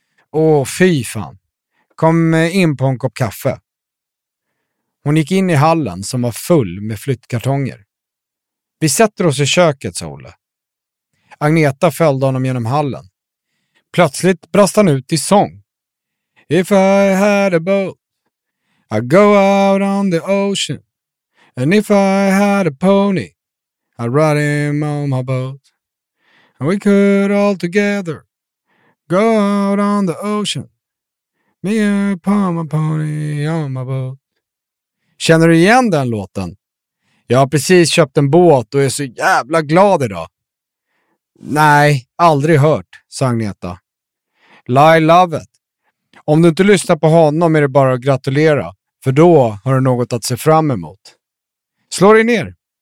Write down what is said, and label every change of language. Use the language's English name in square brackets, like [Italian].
[Swedish] Åh, fy fan. Kom in på en kopp kaffe. Hon gick in i hallen som var full med flyttkartonger. Vi sätter oss i köket, sa Olle. Agneta följde honom genom hallen. Plötsligt brast han ut i sång. [English] If I had a boat, I'd go out on the ocean. And if I had a pony, I'd ride him on my boat. And we could all together go out on the ocean. Me upon my pony on my boat. [Swedish] Känner du igen den låten? Jag har precis köpt en båt och är så jävla glad idag. Nej, aldrig hört, sa Agneta. [English] Lie love it. [Swedish] Om du inte lyssnar på honom är det bara att gratulera. För då har du något att se fram emot. Slå dig ner.